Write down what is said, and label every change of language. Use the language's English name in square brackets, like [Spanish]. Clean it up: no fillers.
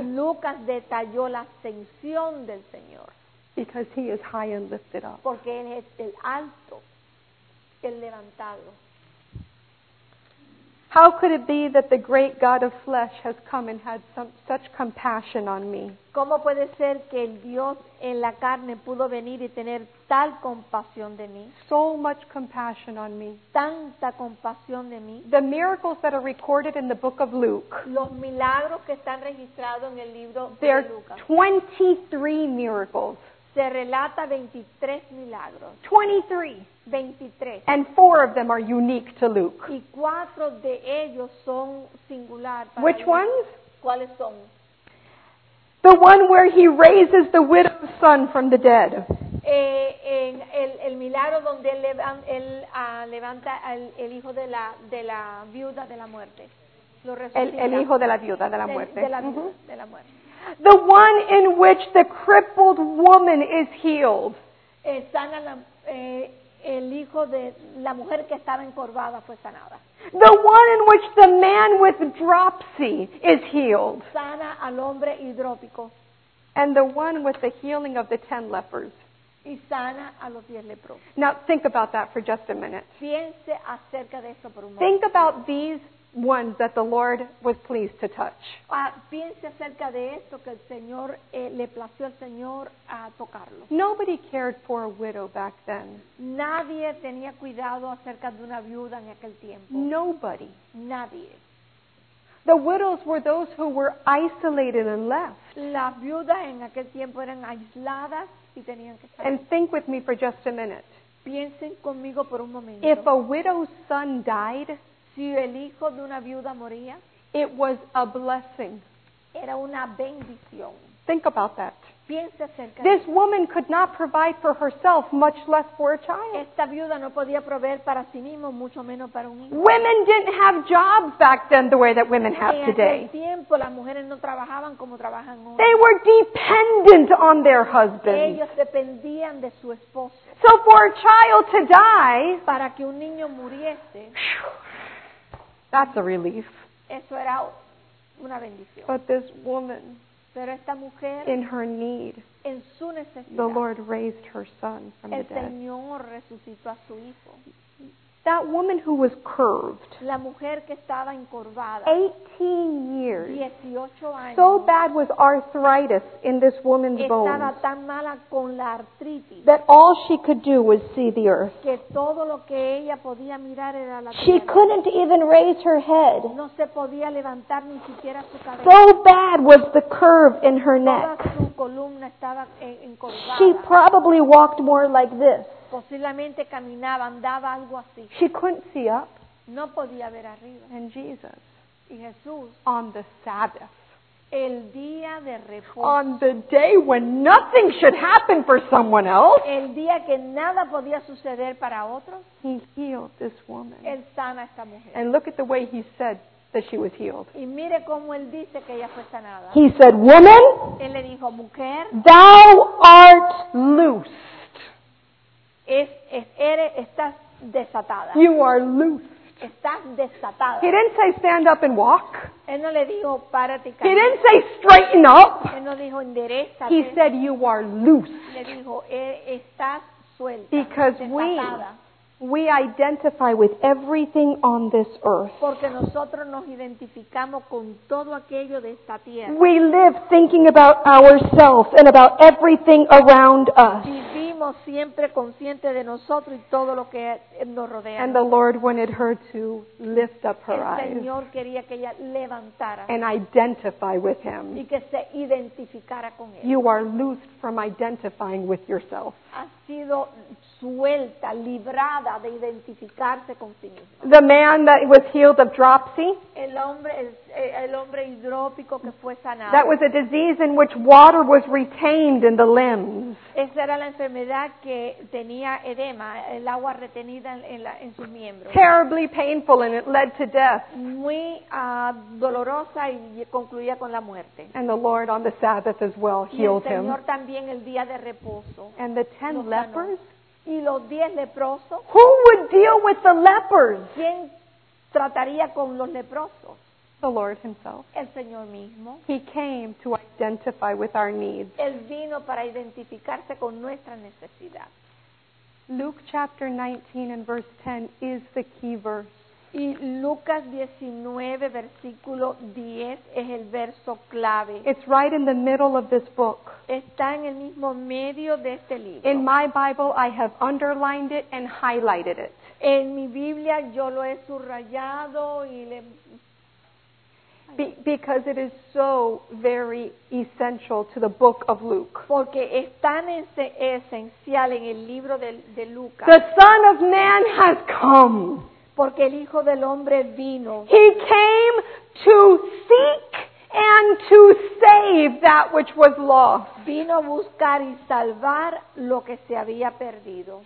[Spanish] Lucas detalló la ascensión del Señor. [English] Because he is high and lifted up. [Spanish] Porque él es el alto, el levantado. [English] How could it be that the great God of flesh has come and had such compassion on me? [Spanish] ¿Cómo puede ser que el Dios en la carne pudo venir y tener tal compasión de mí? [English] So much compassion on me. [Spanish] Tanta compasión de mí. [English] The miracles that are recorded in the book of Luke. [Spanish] Los milagros que están registrados en el libro de Lucas. [English] There are 23 miracles. [Spanish] Se relata 23 milagros. [English] 23. And four of them are unique to Luke. [Spanish] Y cuatro de ellos son singular para [English] which Luke. Ones? [Spanish] ¿Cuáles son? [English] The one where he raises the widow's son from the dead. [Spanish] En el milagro donde levanta el hijo de la viuda de la muerte. Lo el hijo de la viuda de la muerte. De la viuda, mm-hmm. De la muerte. [English] The one in which the crippled woman is healed. [Spanish] Sana el hijo de la mujer que estaba encorvada fue sanada. [English] The one in which the man with dropsy is healed. [Spanish] Sana al hombre hidrópico. [English] And the one with the healing of the 10 lepers. [Spanish] Y sana a los 10 lepros. [English] Now think about that for just a minute. [Spanish] Piense acerca de eso por un momento. [English] Think about these ones that the Lord was pleased to touch. [Spanish] Piense acerca de esto que el Señor le plació al Señor a tocarlo. [English] Nobody cared for a widow back then. [Spanish] Nadie tenía cuidado acerca de una viuda en aquel tiempo. [English] Nobody. [Spanish] Nadie. [English] The widows were those who were isolated and left. [Spanish] Las viudas en aquel tiempo eran aisladas y tenían que estar. [English] And think with me for just a minute. [Spanish] Piensen conmigo por un momento. [English] If a widow's son died, [Spanish] si el hijo de una viuda moría, [English] It was a blessing. [Spanish] Era una bendición. [English] Think about that. [Spanish] Piensa acerca. [English] This woman could not provide for herself, much less for a child. [Spanish] Esta viuda no podía proveer para sí mismo, mucho menos para un hijo. [English] Women didn't have jobs back then the way that women have today. [Spanish] En aquel tiempo las mujeres no trabajaban como trabajan hoy. [English] They were dependent on their husband. [Spanish] Ellos dependían de su esposo. [English] So for a child to die, [Spanish] para que un niño muriese, [English] that's a relief. [Spanish] Eso era una bendición. [English] But this woman, [Spanish] pero esta mujer, [English] in her need, [Spanish] en su necesidad, [English] the Lord raised her son from [Spanish] el [English] the dead. [Spanish] Señor resucitó a su hijo. [English] That woman who was curved, [Spanish] la mujer que estaba encorvada, [English] 18 years, [Spanish] 18 años, [English] so bad was arthritis in this woman's [Spanish] estaba [English] bones, [Spanish] tan mala con la artritis, [English] that all she could do was see the earth. [Spanish] Que todo lo que ella podía mirar era la [English] she [Spanish] tierra. [English] Couldn't even raise her head. [Spanish] No se podía levantar ni siquiera su cabeza. [English] So bad was the curve in her [Spanish] toda [English] neck. [Spanish] Su columna estaba encorvada. [English] She probably walked more like this. [Spanish] Posiblemente caminaba, andaba algo así. [English] She couldn't see up. [Spanish] No podía ver arriba. [English] And Jesus, [Spanish] y Jesús, [English] on the Sabbath, [Spanish] el día de reposo, [English] on the day when nothing should happen for someone else, [Spanish] el día que nada podía suceder para otros, [English] he healed this woman. [Spanish] Él sana a esta mujer. [English] And look at the way he said that she was healed. [Spanish] Y mire cómo él dice que ella fue sanada. [English] He said, woman, [Spanish] él le dijo, mujer, [English] thou art loose. [Spanish] Estás desatada. [English] You are loose. [Spanish] Estás desatada. [English] He didn't say stand up and walk. [Spanish] Él no le dijo párate y camina. [English] He didn't say straighten up. [Spanish] Él no dijo enderezate. [English] He said you are loose. [Spanish] Le dijo estás suelta. [English] Because we identify with everything on this earth. [Spanish] Porque nosotros nos identificamos con todo aquello de esta tierra. [English] We live thinking about ourselves and about everything around us. [Spanish] Vivimos siempre consciente de nosotros y todo lo que nos rodea. [English] And the Lord wanted her to lift up her eyes. [Spanish] El Señor quería que ella levantara. [English] And identify with Him. [Spanish] Y que se identificara con Él. [English] You are loosed from identifying with yourself. [Spanish] Has sido suelta, librada. De identificarse con sí mismo. [English] The man that was healed of dropsy. [Spanish] El hombre hidrópico que fue sanado. [English] That was a disease in which water was retained in the limbs. [Spanish] Esa era la enfermedad que tenía edema, el agua retenida en sus miembros. [English] Terribly painful and it led to death. [Spanish] Muy dolorosa y concluía con la muerte. [English] And the Lord on the Sabbath as well healed him. [Spanish] Y el Señor también el día de reposo. [English] And the 10 lepers. [Spanish] Y los 10 leprosos. [English] Who would deal with the lepers? [Spanish] ¿Quién trataría con los leprosos? [English] The Lord Himself. [Spanish] El Señor mismo. [English] He came to identify with our needs. [Spanish] Él vino para identificarse con nuestra necesidad. [English] Luke chapter 19 and verse 10 is the key verse. [Spanish] Y Lucas 19 versículo 10 es el verso clave. [English] It's right in the middle of this book. [Spanish] Está en el mismo medio de este libro. [English] In my Bible, I have underlined it and highlighted it. [Spanish] En mi Biblia, yo lo he subrayado y le... [English] Because it is so very essential to the book of Luke. [Spanish] Porque es tan esencial en el libro de Lucas. [English] The Son of Man has come. [Spanish] Porque el Hijo del Hombre vino. [English] He came to seek and to save that which was lost. [Spanish] Vino a buscar y salvar lo que se había perdido.